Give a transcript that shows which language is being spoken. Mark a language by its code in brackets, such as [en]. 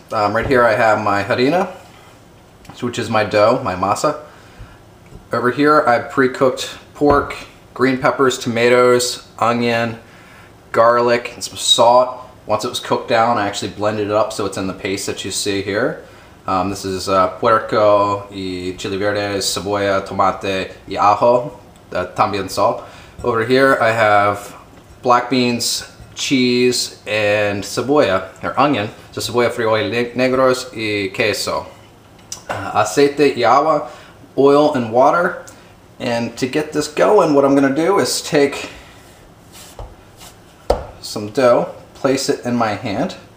[en] Right here I have my harina, which is my dough, my masa. Over here I've pre-cooked pork, green peppers, tomatoes, onion, garlic, and some salt. Once it was cooked down, I actually blended it up so it's in the paste that you see here. [es] This is puerco y chile verde, cebolla, tomate y ajo, también sal. [en] Over here I have black beans, cheese, and cebolla, or onion. [es] So cebolla, frijoles negros y queso. Aceite y agua, [en] oil and water. And to get this going, what I'm going to do is take some dough, place it in my hand.